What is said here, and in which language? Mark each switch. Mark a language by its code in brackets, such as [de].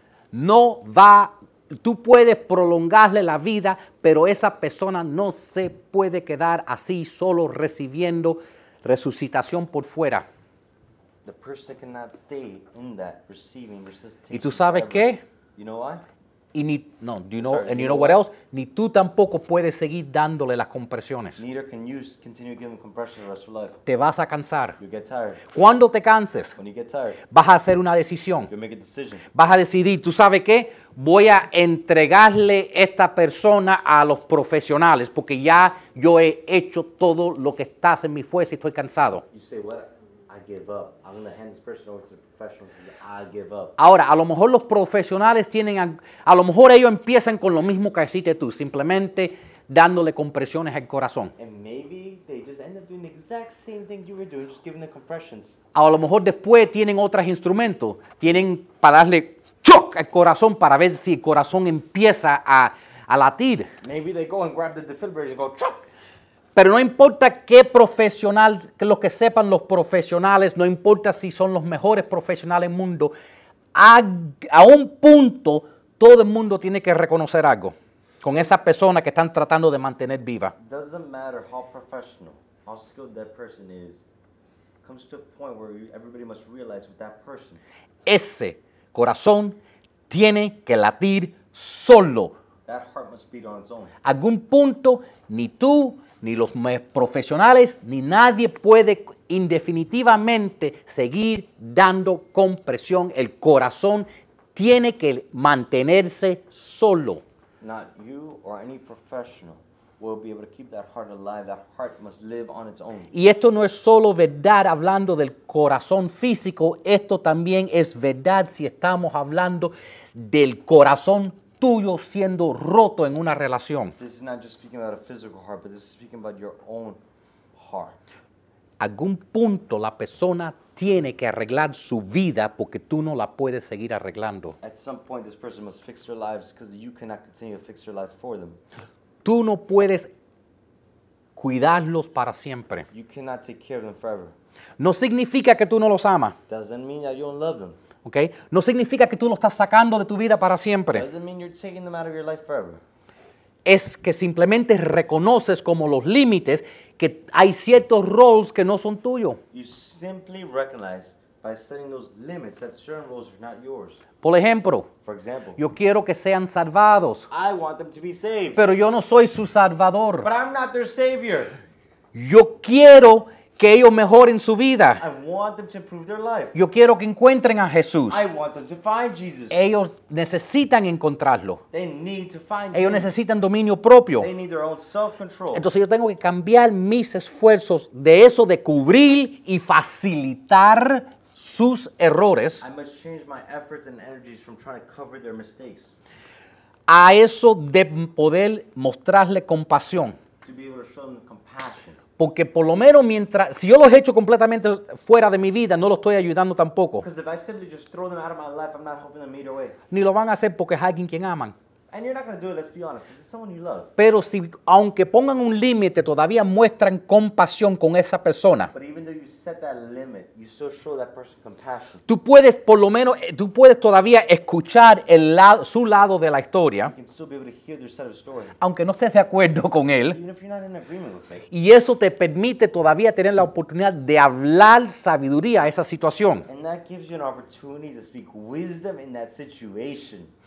[es] No va, tú puedes prolongarle la vida, pero esa persona no se puede quedar así solo recibiendo resucitación por fuera. [en] The person cannot stay in that receiving resuscitation. [es] ¿Y tú sabes qué? [en] You know why? [es] Y ni, no, [en] do you know, sorry, and you know what else? [es] Ni tú tampoco puedes seguir dándole las compresiones. [en] Neither can you continue giving them compressions the rest of life. [es] Te vas a cansar. [en] You get tired. [es] Cuando te canses, [en] when you get tired, [es] vas a hacer una decisión. [en] You make a decision. [es] Vas a decidir, ¿tú sabes qué? Voy a entregarle esta persona a los profesionales porque ya yo he hecho todo lo que estás en mi fuerza y estoy cansado. [en] You say, what? I give up. I'm going to hand this person over to the professional. I give up. [es] Ahora, a lo mejor los profesionales tienen, a lo mejor ellos empiezan con lo mismo que hiciste tú, simplemente dándole compresiones al corazón. [en] And maybe they just end up doing the exact same thing you were doing, just giving the compressions. [es] A lo mejor después tienen otros instrumentos, tienen para darle choc al corazón para ver si el corazón empieza a latir. [en] Maybe they go and grab the defibrillator and go choc. [es] Pero no importa qué profesional, que lo que sepan los profesionales, no importa si son los mejores profesionales del mundo, a un punto todo el mundo tiene que reconocer algo. con esa persona que están tratando de mantener viva. [en] Doesn't matter how professional, how skilled that person is, comes to a point where everybody must realize with that person. [es] Ese corazón tiene que latir solo. [en] That heart must beat on its own. [es] Algún punto, ni tú, ni los profesionales, ni nadie puede indefinitivamente seguir dando compresión. El corazón tiene que mantenerse solo. [en] Not you or any professional will be able to keep that heart alive. That heart must live on its own. [es] Y esto no es solo verdad hablando del corazón físico. Esto también es verdad si estamos hablando del corazón tuyo siendo roto en una relación. [en] This is not just speaking about a physical heart, but this is speaking about your own heart. [es] Algún punto la persona tiene que arreglar su vida porque tú no la puedes seguir arreglando. [en] At some point, this person must fix their lives because you cannot continue to fix their lives for them. [es] Tú no puedes cuidarlos para siempre. [en] You cannot take care of them forever. [es] No significa que tú no los amas. [en] Doesn't mean that you don't love them. Okay? [es] No significa que tú los estás sacando de tu vida para siempre. [en] Doesn't mean you're taking them out of your life forever. [es] Es que simplemente reconoces como los límites que hay ciertos roles que no son tuyos. [en] You simply recognize by setting those limits that certain roles are not yours. [es] Por ejemplo, [en] for example, [es] yo quiero que sean salvados. [en] I want them to be saved. [es] Pero yo no soy su salvador. [en] But I'm not their savior. [es] Yo quiero que ellos mejoren su vida. [en] I want them to improve their life. [es] Yo quiero que encuentren a Jesús. [en] I want them to find Jesus. [es] Ellos necesitan encontrarlo. [en] They need to find [es] ellos [en] him. [es] Necesitan dominio propio. [en] They need their own self-control. [es] Entonces yo tengo que cambiar mis esfuerzos de eso de cubrir y facilitar sus errores. [en] I must change my efforts and energies from trying to cover their mistakes. [es] A eso de poder mostrarle compasión. [en] To be able to show them the compassion. [es] Porque por lo menos mientras, si yo los echo completamente fuera de mi vida, no los estoy ayudando tampoco. [en] Because if I simply just throw them out of my life, I'm not helping them meet away. [es] Ni lo van a hacer porque es alguien quien aman. [en] And you're not going to do it, let's be honest, because it's someone you love. [es] Pero si, aunque pongan un límite, todavía muestran compasión con esa persona. [en] But even though you set that limit, you still show that person compassion. [es] Tú puedes, por lo menos, tú puedes todavía escuchar el lado, su lado de la historia. [en] You can still be able to hear their side of the story. [es] Aunque no estés de acuerdo con él. [en] Even if you're not in agreement with me. [es] Y eso te permite todavía tener la oportunidad de hablar sabiduría a esa situación. [en] And that gives you an opportunity to speak wisdom in that situation.